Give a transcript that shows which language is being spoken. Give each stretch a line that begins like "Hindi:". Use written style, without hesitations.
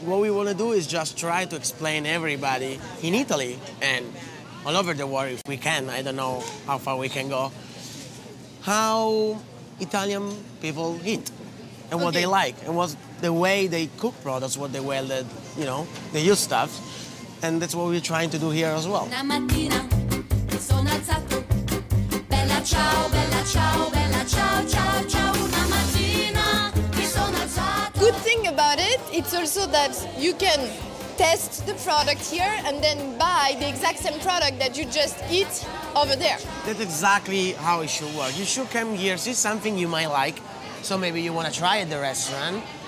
English: And what we want to do is just try to explain everybody in Italy and all over the world, if we can, I don't know how far we can go, how Italian people eat and what okay. They like and what the way they cook products, what they welded, you know, they use stuff. And that's what we're trying to do here as well.
Italian: Una mattina mi sono alzato, bella ciao, bella ciao, bella ciao, ciao, ciao. Una mattina mi sono alzato.
English: Good thing about it, it's also that you can test the product here and then buy the exact same product that you just eat over there. That's exactly how it should work. You should come here, see something you might like, so maybe you want to try at the restaurant.